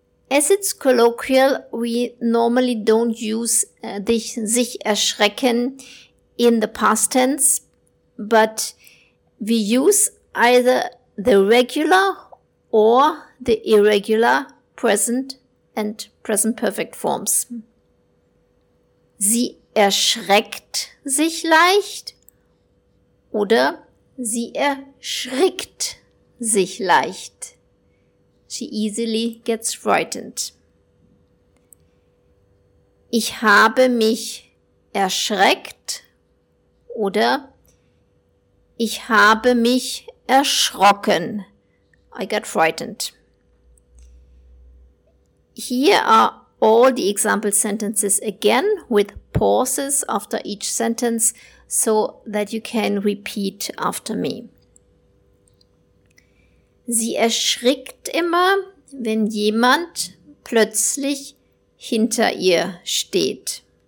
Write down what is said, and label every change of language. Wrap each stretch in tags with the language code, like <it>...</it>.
<en>As it's colloquial, we normally don't use sich erschrecken in the past tense, but we use either the regular or the irregular present and present perfect forms.</en> <de>Sie erschreckt sich leicht oder sie erschrickt sich leicht.</de> <en>She easily gets frightened.</en> <de>Ich habe mich erschreckt oder ich habe mich erschrocken.</de> <en>I got frightened. Here are all the example sentences again with pauses after each sentence, so that you can repeat after me.</en> <de>Sie erschrickt immer, wenn jemand plötzlich hinter ihr steht.</de>